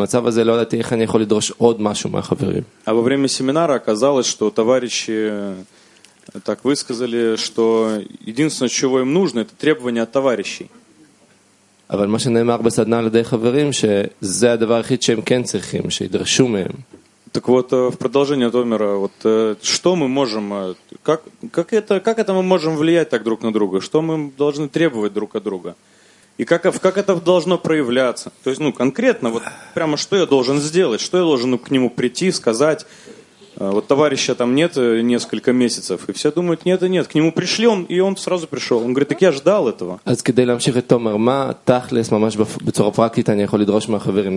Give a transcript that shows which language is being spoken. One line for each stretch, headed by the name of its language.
Russian: А во время семинара оказалось, что товарищи так высказали, что единственное, чего им нужно, это требования от товарищей.
Hebrew: אבל מה שנאמר בסדנה על ידי חברים, שזה הדבר היחיד שהם כן צריכים, שידרשו מהם.
Russian: Так вот, в продолжение Томера, вот что мы можем, как это мы можем влиять так друг на друга? Что мы должны требовать друг от друга? И как это должно проявляться? То есть, ну, конкретно, вот прямо что я должен сделать? Что я должен к нему прийти, сказать? Вот товарища там нет несколько месяцев, и все думают, нет, нет, к нему пришли, и он сразу пришел. Он говорит, так я ждал этого.
Hebrew: אז כדי להמשיך את תומר, מה תכלס ממש בצורה פרקטית אני יכול לדרוש מהחברים?